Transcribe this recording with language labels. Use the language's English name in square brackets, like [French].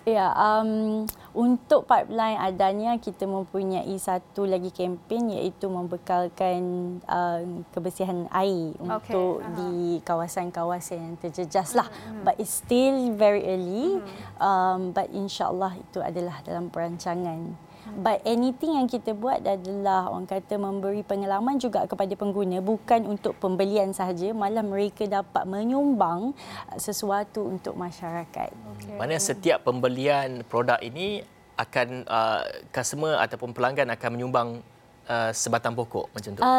[Malay] Ya, untuk pipeline Adania, kita mempunyai satu lagi kempen iaitu membekalkan kebersihan air untuk di kawasan-kawasan yang terjejas. [English] But it's still very early. [Malay] But insyaAllah itu adalah dalam perancangan. But anything yang kita buat adalah orang kata memberi pengalaman juga kepada pengguna, bukan untuk pembelian sahaja, malah mereka dapat menyumbang sesuatu untuk masyarakat. Okay. Maksudnya setiap pembelian produk ini akan customer ataupun pelanggan akan menyumbang sebatang pokok macam tu.